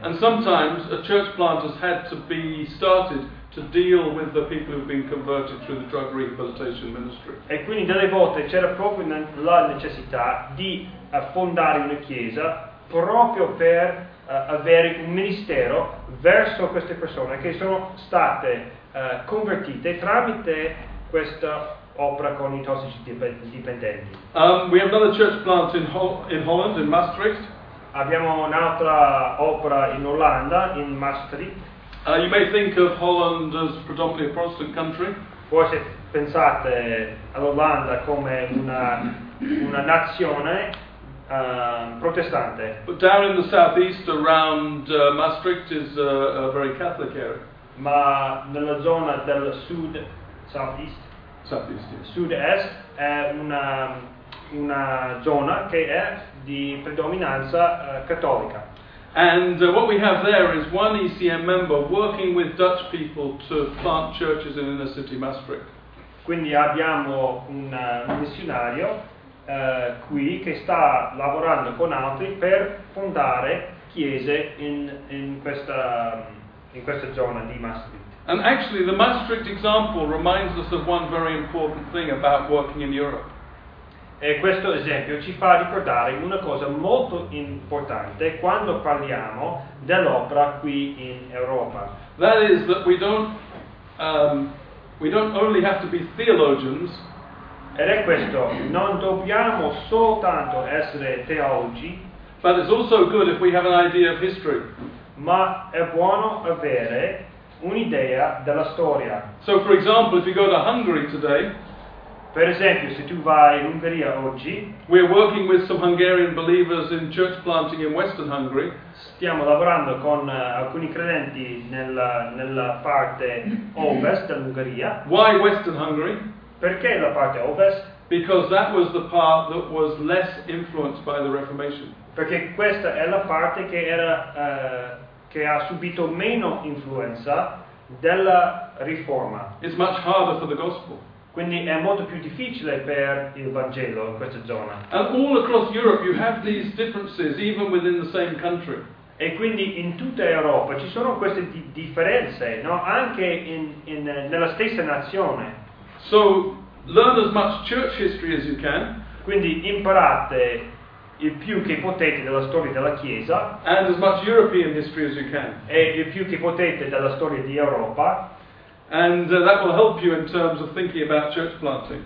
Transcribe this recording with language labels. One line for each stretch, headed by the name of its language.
English: And sometimes a church plant has had to be started to deal with the people who've been converted through the drug rehabilitation ministry.
Italian: E quindi delle volte c'era proprio la necessità di fondare una chiesa proprio per avere un ministero verso queste persone che sono state convertite tramite questa opera con i tossici dipendenti.
English: We have another church plant in Holland, in Maastricht.
Italian: Abbiamo un'altra opera in Olanda, in Maastricht.
English: You may think of Holland as predominantly a Protestant country.
Italian: Forse pensate all'Olanda come una nazione protestante.
English: But down in the southeast around Maastricht is a very Catholic area.
Italian: Ma nella zona del sud, southeast.
English: Southeast. Yeah.
Italian: Sud-est è una zona che è di predominanza cattolica.
English: And what we have there is one ECM member working with Dutch people to plant churches in inner city Maastricht.
Italian: Quindi abbiamo un missionario qui che sta lavorando con altri per fondare chiese in questa zona di Maastricht.
English: And actually the Maastricht example reminds us of one very important thing about working in Europe.
Italian: E questo esempio ci fa ricordare una cosa molto importante quando parliamo dell'opera qui in Europa.
English: That is that we don't only have to be theologians.
Italian: Ed è questo, non dobbiamo soltanto essere teologi.
English: But it's also good if we have an idea of history.
Italian: Ma è buono avere un'idea della storia.
English: So for example, if you go to Hungary today,
Italian: per esempio, se tu vai in Ungheria oggi,
English: we're working with some Hungarian believers in church planting in Western Hungary.
Italian: Stiamo lavorando con alcuni credenti nella parte ovest dell'Ungheria.
English: Why Western Hungary?
Italian: Perché la parte ovest?
English: Because that was the part that was less influenced by the Reformation.
Italian: Perché questa è la parte che era che ha subito meno influenza della riforma.
English: It's much harder for the gospel.
Italian: Quindi è molto più difficile per il Vangelo in questa zona.
English: And all across Europe you have these differences even within the same country.
Italian: E quindi in tutta Europa ci sono queste differenze, no? Anche nella stessa nazione.
English: So learn as much church history as you can.
Italian: Quindi imparate il più che potete della storia della Chiesa.
English: And as much European history as you can.
Italian: E il più che potete della storia di Europa.
English: And that will help you in terms of thinking about church planting.